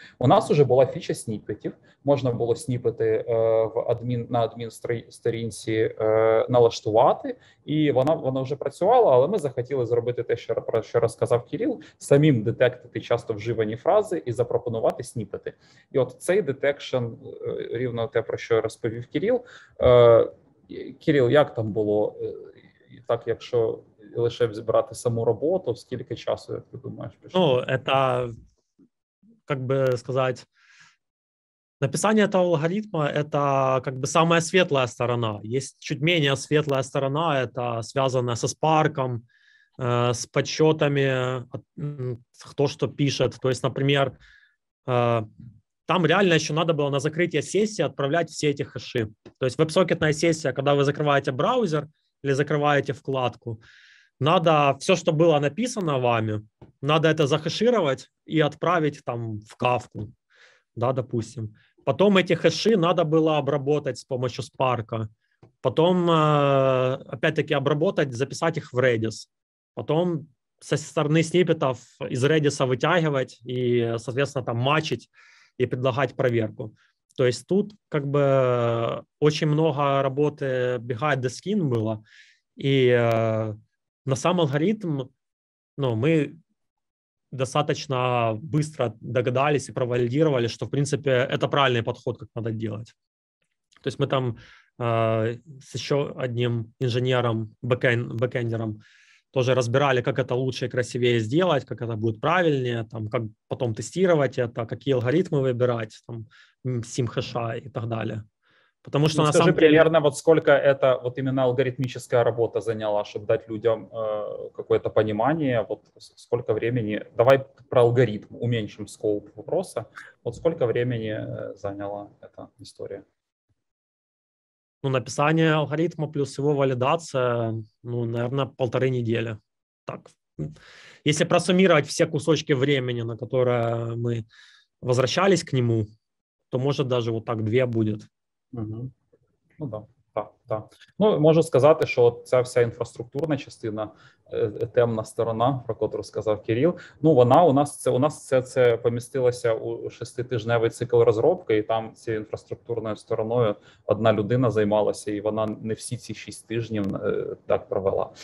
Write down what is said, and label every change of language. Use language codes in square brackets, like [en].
[uk] У нас вже була фіча сніпетів, можна було сніпети на адмін сторінці налаштувати, і вона вже працювала, але ми захотіли зробити те, що про що розказав Кирил, самим детектити часто вживані фрази і запропонувати сніпети. І от цей детекшн, рівно те, про що розповів Кирил. Кирил, як там було? Так, якщо лише брати саму роботу, скільки часу, як ти думаєш? [ru] Ну, это, как бы сказать, написание этого алгоритма, это как бы самая светлая сторона. Есть чуть менее светлая сторона, это связанная со спарком, с подсчетами, кто что пишет. То есть, например, там реально еще надо было на закрытие сессии отправлять все эти хэши. То есть веб-сокетная сессия, когда вы закрываете браузер или закрываете вкладку, надо все, что было написано вами, надо это захешировать и отправить там в Кафку, да, допустим. Потом эти хэши надо было обработать с помощью Spark. Потом, опять-таки, обработать, записать их в Redis. Потом со стороны сниппетов из Redis вытягивать и, соответственно, там матчить и предлагать проверку. То есть тут как бы очень много работы [en] behind the scene [ru] было. И на сам алгоритм, ну, мы достаточно быстро догадались и провалидировали, что, в принципе, это правильный подход, как надо делать. То есть мы там с еще одним инженером, бэкэндером, тоже разбирали, как это лучше и красивее сделать, как это будет правильнее, там, как потом тестировать это, какие алгоритмы выбирать, там, сим-хэша и так далее. Потому что на самом деле примерно вот сколько это вот именно алгоритмическая работа заняла, чтобы дать людям какое-то понимание, вот сколько времени. Давай про алгоритм уменьшим скоуп вопроса. Вот сколько времени заняла эта история? Ну, написание алгоритма плюс его валидация, ну, наверное, 1.5 недели. Так. Если просуммировать все кусочки времени, на которые мы возвращались к нему, то может даже вот так 2 будет. Угу. Ну, да. [uk] Ну, можу сказати, що ця вся інфраструктурна частина, темна сторона, про котру сказав Кирил, ну, вона у нас це помістилося у 6-тижневий цикл розробки, і там цією інфраструктурною стороною одна людина займалася, і вона не всі ці 6 тижнів так провела.